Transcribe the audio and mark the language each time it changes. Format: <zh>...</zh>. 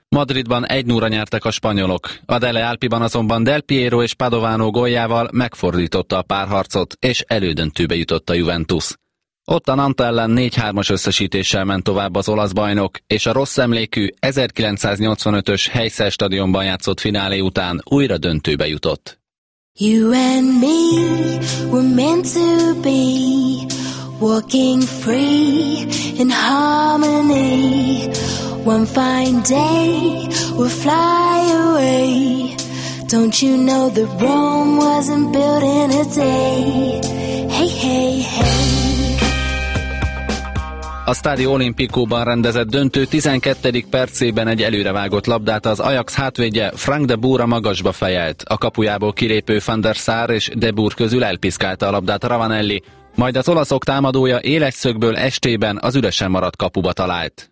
<hu>Madridban 1-0-ra nyertek a spanyolok, a Dele Alpiban azonban Del Piero és Padovano góljával megfordította a párharcot, és elődöntőbe jutott a Juventus. Ott a Nanta ellen 4-3-as összesítéssel ment tovább az olasz bajnok, és a rossz emlékű 1985-ös Heysel stadionban játszott finálé után újra döntőbe jutott.</hu> <en>You and me were meant to be walking free in harmony. One fine day we'll fly away. Don't you know that Rome wasn't built in a day? Hey, hey, hey.</en> <hu>A Stadio Olimpicóban rendezett döntő 12. percében egy előrevágott labdát az Ajax hátvédje Frank de Boer a magasba fejelt. A kapujából kilépő Van der Sar és de Boer közül elpiszkálta a labdát Ravanelli, majd az olaszok támadója éles szögből estében az üresen maradt kapuba talált.</hu>